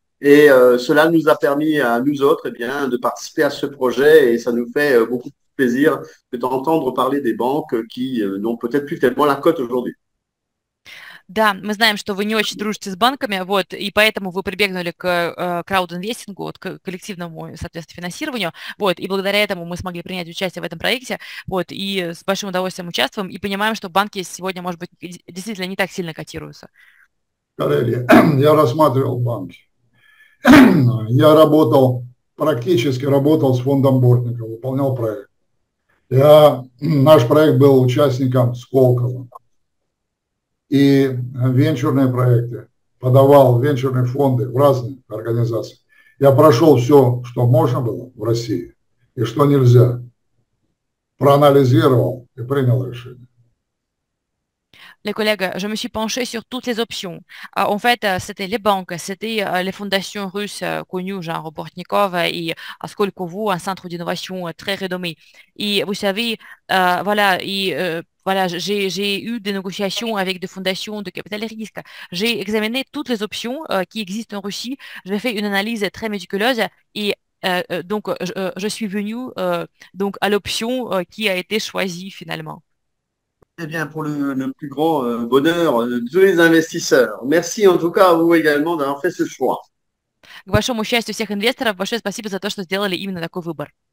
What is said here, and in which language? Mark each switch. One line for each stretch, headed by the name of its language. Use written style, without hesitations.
French: Et cela nous a permis à nous autres, eh bien, de participer à ce projet. Et ça nous fait beaucoup plaisir d'entendre parler des banques qui n'ont peut-être plus tellement la cote aujourd'hui.
Russian: Да, мы знаем, что вы не очень дружите с банками, вот, и поэтому вы прибегнули к краудинвестингу, вот, к коллективному, соответственно, финансированию, вот, и благодаря этому мы смогли принять участие в этом проекте, вот, и с большим удовольствием участвуем, и понимаем, что банки сегодня, может быть, действительно не так сильно котируются. Коллеги, я рассматривал банки. Я работал, практически работал с фондом Бортника, выполнял проект. Наш проект был участником Сколково. И венчурные проекты, подавал венчурные фонды в разные организации. Я прошел все, что можно было в России и что нельзя. Проанализировал и принял решение.
French: Les collègues, je me suis penchée sur toutes les options. En fait, c'était les banques, c'était les fondations russes connues, genre Bortnikov et Skolkovo, un centre d'innovation très renommé. Et vous savez, voilà, voilà, j'ai eu des négociations avec des fondations de capital risque. J'ai examiné toutes les options qui existent en Russie. J'ai fait une analyse très méticuleuse et donc je suis venue donc à l'option qui a été choisie finalement. Eh bien, pour le plus grand bonheur de tous les investisseurs. Merci en tout cas à vous également d'avoir fait ce choix.
Russian: К большому счастью всех инвесторов, большое спасибо за то, что сделали именно такой выбор.